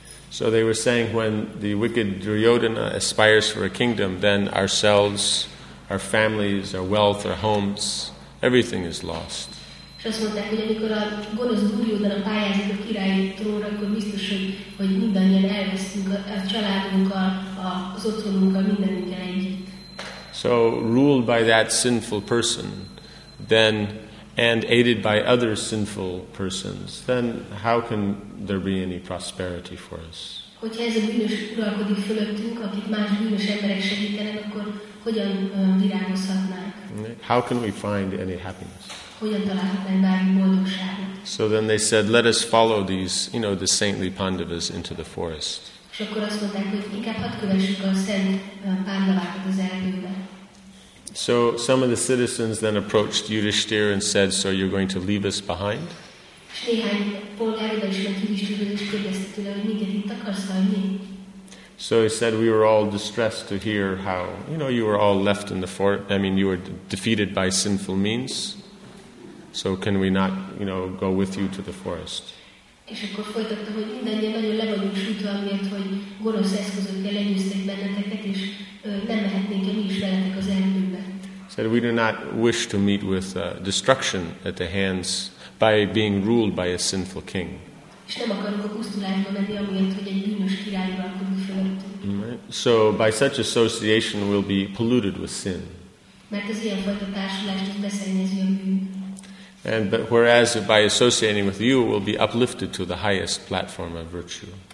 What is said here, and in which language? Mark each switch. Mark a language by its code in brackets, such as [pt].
[en] So they were saying, when the wicked Duryodhana aspires for a kingdom, then ourselves, our families, our wealth, our homes, everything is lost. [hu] És azt mondták, hogy amikor a gonosz Duryodhana pályázik a királyi trónra, akkor biztos, hogy mindannyian elvesztünk a családunkkal, az otthonunkkal, mindenünkkel együtt. [en] So, ruled by that sinful person, then, and aided by other sinful persons, then how can there be any prosperity for us? [hu] Hogyha ez a bűnös uralkodik fölöttünk, akit más bűnös emberek segítenek, akkor hogyan virágozhatnánk? [en] How can we find any happiness? [hu] Hogyan találhatnánk bármi boldogságot? [en] So then they said, let us follow these, you know, the saintly Pandavas into the forest. [hu] És akkor azt mondták, hogy inkább hadd kövessük a szent Pandavákat az erdőbe. [en] So some of the citizens then approached Yudhishthir and said, so you're going to leave us behind? [hu] És néhány polgár oda is ment Yudhishthirhez, és kérdezte tőle, hogy minket itt akarsz hagyni? [en] So he said, we were all distressed to hear how, you know, you were all left in the fort, I mean, you were defeated by sinful means. So can we not, you know, go with you to the forest? [hu] És akkor folytatta, hogy mindannyian nagyon le vagyunk sújtva, amiért, hogy gonosz eszközökkel lenyűztek benneteket, és nem mehetnénk mi is veletek az erdőbe. [en] Said, we do not wish to meet with destruction at the hands, by being ruled by a sinful king. [hu] És nem akarunk a pusztulásba menni, amiért, hogy egy bűnös király uralkodik fölöttünk. [en] So by such association we'll be polluted with sin. [hu] Mert az ilyen fajta társulást is beszennyezi a bűn. [en] And but whereas by associating with you we'll be uplifted to the highest platform of virtue.